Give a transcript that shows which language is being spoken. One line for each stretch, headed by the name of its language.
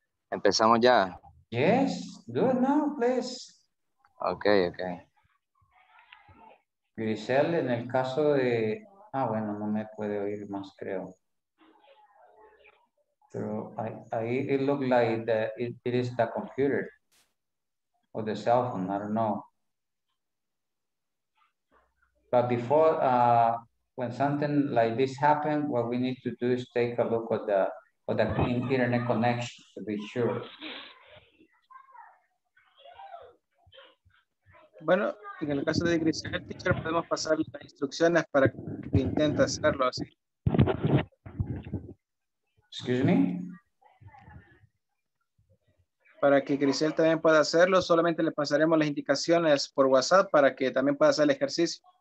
Spanish: Empezamos ya.
English: Yes, do it now, please. Okay, okay.
Spanish: Grisel, en el caso de... Ah, bueno, no me puede oír más, creo. Pero ahí
English: it looks like the, it is the computer. Or the cell phone, I don't know. But before, when something like this happens, what we need to do is take a look at the internet connection to be sure.
Spanish: Bueno, en el caso de Grisel, teacher, podemos pasar las instrucciones para que intente hacerlo así.
English: Excuse me?
Spanish: Para que Grisel también pueda hacerlo, solamente le pasaremos las indicaciones por WhatsApp para que también pueda hacer el ejercicio.